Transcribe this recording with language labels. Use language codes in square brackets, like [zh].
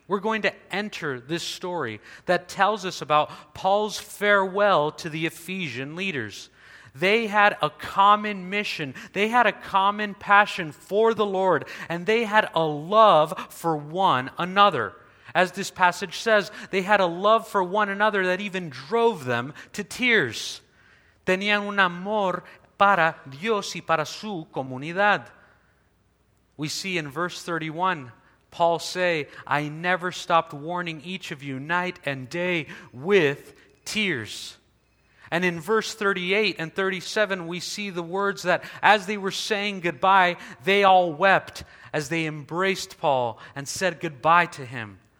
[en] We're going to enter this story that tells us about Paul's farewell to the Ephesian leaders. They had a common mission. They had a common passion for the Lord, and they had a love for one another. As this passage says, they had a love for one another that even drove them to tears. [es] Tenían un amor para Dios y para su comunidad. [en] We see in verse 31, Paul say, "I never stopped warning each of you night and day with tears." And in verse 38 and 37, we see the words that as they were saying goodbye, they all wept as they embraced Paul and said goodbye to him.